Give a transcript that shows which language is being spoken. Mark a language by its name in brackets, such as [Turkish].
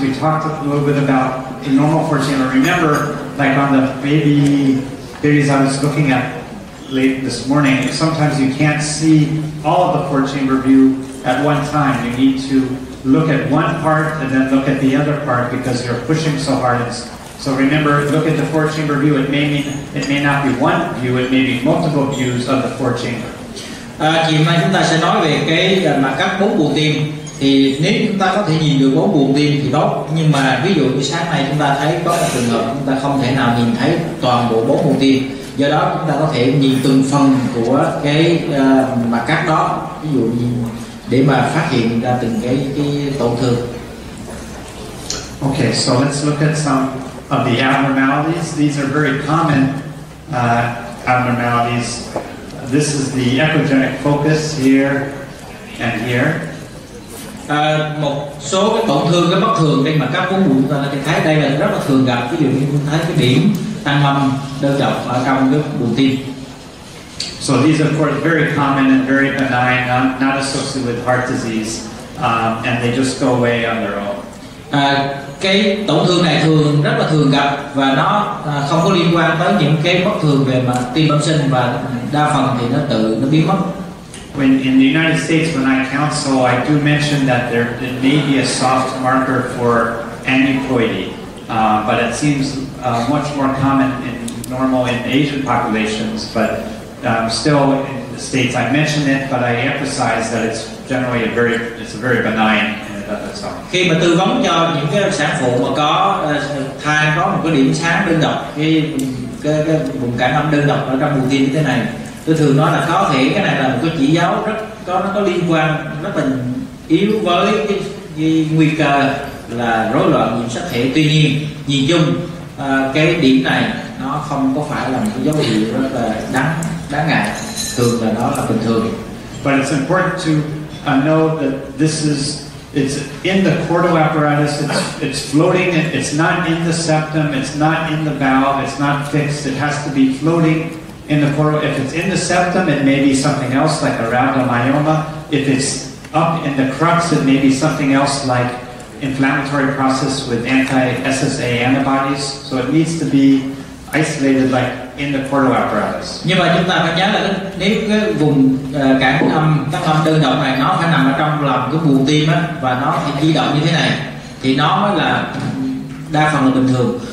[English] We talked a little bit about the normal four chamber. Remember, like on the babies I was looking at late this morning, sometimes you can't see all of the four chamber view at one time. You need to look at one part and then look at the other part because you're pushing so hard. So remember, look at the four chamber view. It may not be one view, it may be multiple views of the four chamber. [Vietnamese] Chiều nay chúng ta sẽ nói về cái mặt cắt bốn buồng tim. Thì nếu chúng ta có thể nhìn được bốn buồng tim thì tốt, nhưng mà ví dụ như sáng nay chúng ta thấy có một trường hợp chúng ta không thể nào nhìn thấy toàn bộ bốn buồng tim, do đó chúng ta có thể nhìn từng phần của cái mặt cắt đó, ví dụ như để mà phát hiện ra từng cái tổn thương. [English] Okay, so let's look at some of the abnormalities. These are very common abnormalities. This is the echogenic focus here and here. [Vietnamese] Một số cái tổn thương, cái bất thường trên mặt cắt bốn buồng chúng ta có thể thấy đây là rất là thường gặp, ví dụ như chúng ta thấy cái điểm tăng âm đơn độc ở trong cái buồng tim. [English] So these are of course very common and very benign, not associated with heart disease, and they just go away on their own. Cái tổn thương này thường rất là thường gặp và nó không có liên quan tới những cái bất thường về mặt tim bẩm sinh, và đa phần thì nó biến mất. When in the United States, when I counsel, I do mention that there may be a soft marker for aneuploidy, but it seems much more common in Asian populations. But still, in the States, I mention it, but I emphasize that it's generally a very benign thing. [Vietnamese] Khi mà tư vấn cho những cái sản phụ mà có thai có một cái điểm sáng đơn độc, cái vùng cảm âm đơn độc ở trong buồng tim như thế này, Tôi thường nói là khó thể, cái này là một cái chỉ dấu rất có, nó có liên quan rất là yếu với cái nguy cơ là rối loạn nhiễm sắc thể. Tuy nhiên, nhìn chung cái điểm này nó không có phải là một cái dấu hiệu rất là đáng ngại, thường là nó là bình thường. [English] But it's important to know that this is, it's in the chordal apparatus, it's floating, it's not in the septum, it's not in the bowel, it's not fixed, it has to be floating in the chordal. If it's in the septum, it may be something else like a rhabdomyoma. If it's up in the crux, it may be something else like inflammatory process with anti-SSA antibodies. So it needs to be isolated like in the chordal apparatus. [Vietnamese] Nhưng mà chúng ta phải nhớ là nếu cái vùng cảm âm đơn động này nó phải nằm ở trong lòng cái buồng tim á, và nó phải di động như thế này thì nó mới là đa phần là bình thường.